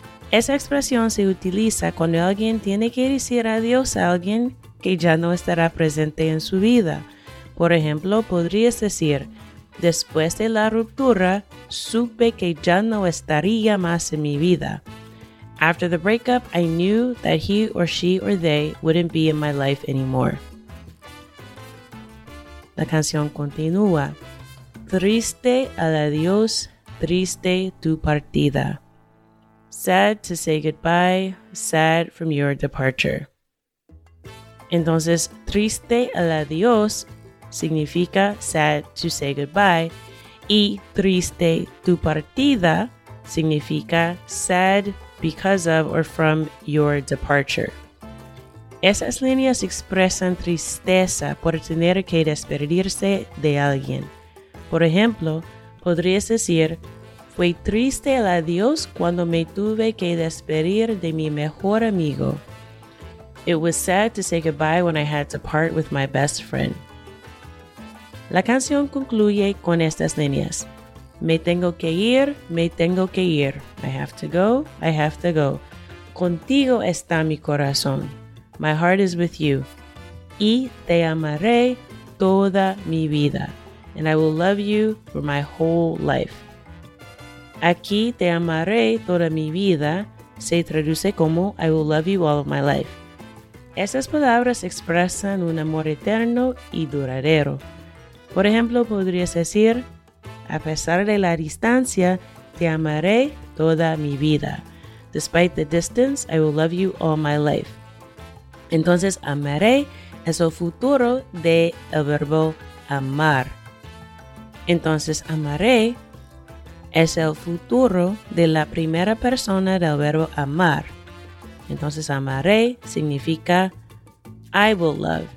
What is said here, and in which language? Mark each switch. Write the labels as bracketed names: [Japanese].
[Spanish] Esa expresión se utiliza cuando alguien tiene que decir adiós a alguien que ya no estará presente en su vida. Por ejemplo, podrías decir, después de la ruptura, supe que ya no estaría más en mi vida. [English] After the breakup, I knew that he or she or they wouldn't be in my life anymore. [Spanish] La canción continúa. Triste al adiós, triste tu partida. [English] Sad to say goodbye, sad from your departure. [Spanish] Entonces, triste al adiós significa [English] sad to say goodbye. [Spanish] Y triste tu partida significa [English] sad because of or from your departure. [Spanish] Esas líneas expresan tristeza por tener que despedirse de alguien. Por ejemplo, podrías decir, fue triste el adiós cuando me tuve que despedir de mi mejor amigo. [English] It was sad to say goodbye when I had to part with my best friend. [Spanish] La canción concluye con estas líneas. Me tengo que ir, me tengo que ir. [English] I have to go, I have to go. [Spanish] Contigo está mi corazón. [English] My heart is with you. [Spanish] Y te amaré toda mi vida. [English] And I will love you for my whole life. [Spanish] Aquí te amaré toda mi vida se traduce como [English] I will love you all of my life. [Spanish] Esas palabras expresan un amor eterno y duradero. Por ejemplo, podrías decir, a pesar de la distancia, te amaré toda mi vida. [English] Despite the distance, I will love you all my life. [Spanish] Entonces, amaré es el futuro del verbo amar. Entonces, amaré es el futuro de la primera persona del verbo amar. Entonces, amaré significa [English] I will love.